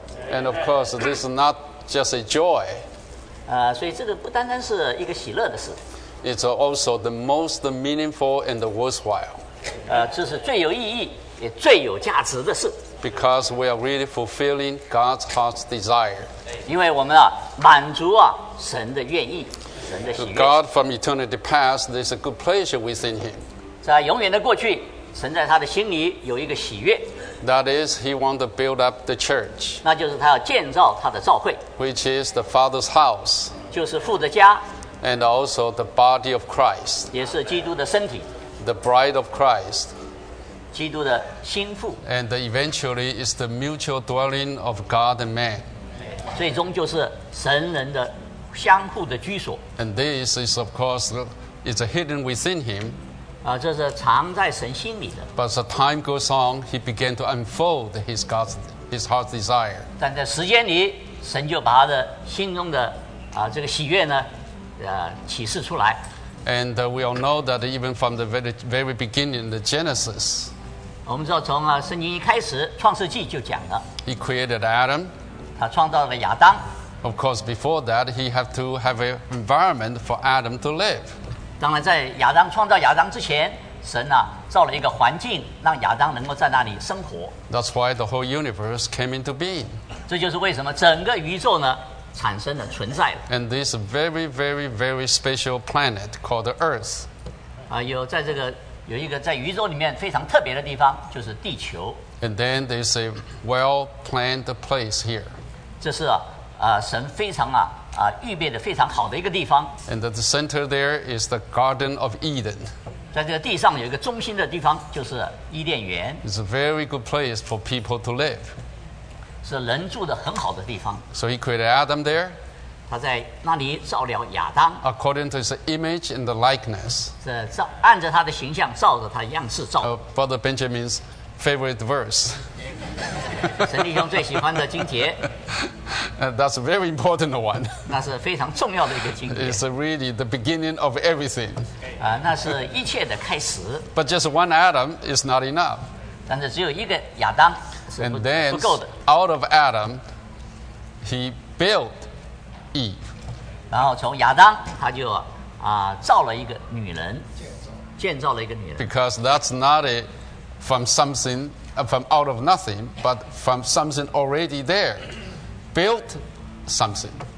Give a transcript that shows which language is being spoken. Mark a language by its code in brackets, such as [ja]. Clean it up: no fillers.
[en] And of course, this is not just a joy. It's also the most meaningful and the worthwhile. [zh] 也最有价值的事。 [en] Because we are really fulfilling God's heart's desire. [zh] 因为我们啊，满足啊神的愿意，神的喜悦。 [en] God from eternity past, there's a good pleasure within Him. [zh] 在永远的过去，神在他的心里有一个喜悦。 [en] That is, He wants to build up the church. [zh] 那就是他要建造他的教会。 [en] Which is the Father's house. [zh] 就是父的家。 [en] And also the body of Christ. [zh] 也是基督的身体。 [en] The bride of Christ. [zh] 基督的心腹 [en] and eventually is the mutual dwelling of God and man. [zh] 最终就是神人的相互的居所 [en] and this is of course is hidden within him. [zh] 这是藏在神心里的 [en] But as time goes on, he began to unfold his heart's desire. [zh] 但在时间里，神就把他的心中的这个喜悦呢，启示出来 [en] And we all know that even from the very very beginning, the Genesis. [zh] 我们知道从圣经一开始创世纪就讲了 [en] He created Adam [zh] 他创造了亚当 [en] Of course before that he had to have an environment for Adam to live [zh] 当然在亚当创造亚当之前神造了一个环境让亚当能够在那里生活 [en] That's why the whole universe came into being [zh] 这就是为什么整个宇宙呢产生了存在了 [en] And this very very very special planet called the Earth [zh] 有在这个有一个在宇宙里面非常特别的地方，就是地球。 [en] And then there's a well-planned place here. [zh] 这是神非常预备的非常好的一个地方。 [en] And the center there is the Garden of Eden. [zh] 在这个地上有一个中心的地方，就是伊甸园。 [en] It's a very good place for people to live. [zh] 是人住的很好的地方。 [en] So he created Adam there. [zh] 他在那里造了亚当 [en] According to his image and the likeness [zh] 是照按着他的形象照着他的样式造 [en] Brother Benjamin's favorite verse [zh] 神弟兄最喜欢的经节 [en] That's a very important one [zh] 那是非常重要的一个经节 [en] It's really the beginning of everything [zh] 那是一切的开始 [en] But just one Adam is not enough [zh] 但是只有一个亚当是 [en] And then, [zh] 不够的 [en] out of Adam he builtEve. [zh] 然后从亚当他就造了一个女人建造了一个女人 [en] Because that's not it from something from out of nothing but from something already there built something